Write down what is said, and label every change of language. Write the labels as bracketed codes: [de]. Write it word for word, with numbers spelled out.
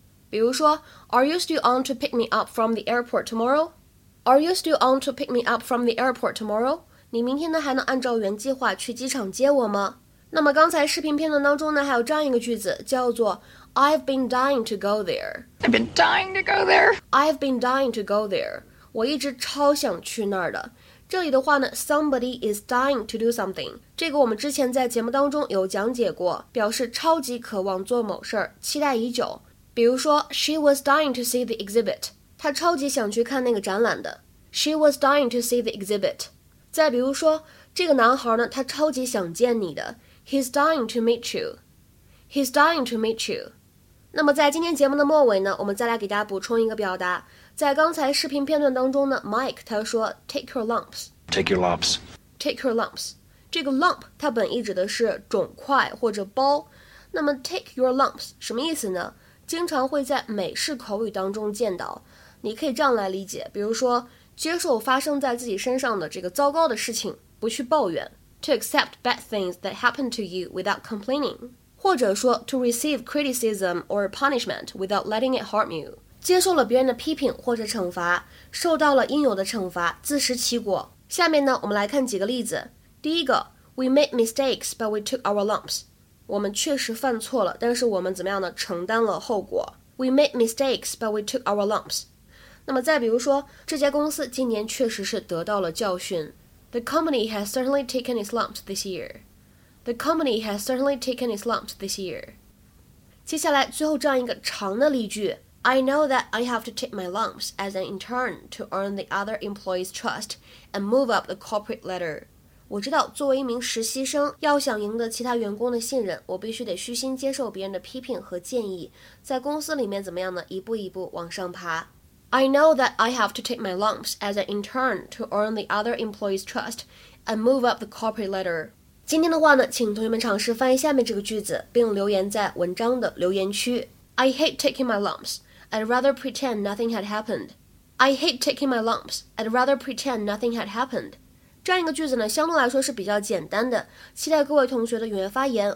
[zh] 比如说 [en] ，Are you still on to pick me up from the airport tomorrow? Are you still on to pick me up from the airport tomorrow? [zh] 你明天呢还能按照原计划去机场接我吗？那么刚才视频片段当中呢，还有这样一个句子，叫做 [en] I've been dying to go there. I've been dying to go there. I've been dying to go there. [zh] 我一直超想去那儿的。这里的话呢 [en] ，somebody is dying to do something. [zh] 这个我们之前在节目当中有讲解过，表示超级渴望做某事儿，期待已久。比如说 [en] ，She was dying to see the exhibit. [zh] 她超级想去看那个展览的。 [en] She was dying to see the exhibit. [zh] 再比如说，这个男孩呢，他超级想见你的。 [en] He's dying to meet you. He's dying to meet you. [zh] 那么在今天节目的末尾呢，我们再来给大家补充一个表达。在刚才视频片段当中呢 ，Mike 他说 [en] take your lumps. Take your lumps. Take your lumps. [zh] 这个 lump 它本意指的是肿块或者包。那么 [en] take your lumps [zh] 什么意思呢？经常会在美式口语当中见到。你可以这样来理解，比如说接受发生在自己身上的这个糟糕的事情，不去抱怨。 [en] To accept bad things that happen to you without complaining. [zh] 或者说 [en] to receive criticism or punishment without letting it harm you. [zh] 接受了别人的批评或者惩罚，受到了应有的惩罚，自食其果。下面呢，我们来看几个例子。第一个 [en] We made mistakes, but we took our lumps. [zh] 我们确实犯错了，但是我们怎么样呢？承担了后果。 [en] We made mistakes, but we took our lumps. [zh] 那么再比如说，这家公司今年确实是得到了教训。 [en] The company has certainly taken its lumps this year. The company has certainly taken its lumps this year. [zh] 接下来最后这样一个长的例句 [en] I know that I have to take my lumps as an intern to earn the other employees' trust and move up the corporate ladder. [zh] 我知道作为一名实习生，要想赢得其他员工的信任，我必须得虚心接受别人的批评和建议，在公司里面怎么样呢？一步一步往上爬。 [en] I know that I have to take my lumps as an intern to earn the other employees' trust and move up the corporate ladder. [zh] 今天的话呢，请同学们尝试翻译下面这个句子，并留言在文章的留言区。 [en] I hate taking my lumps. I'd rather pretend nothing had happened. I hate taking my lumps. I'd rather pretend nothing had happened. [zh] 这样一个句子呢，相对来说是比较简单的。期待各位同学的踊跃发言。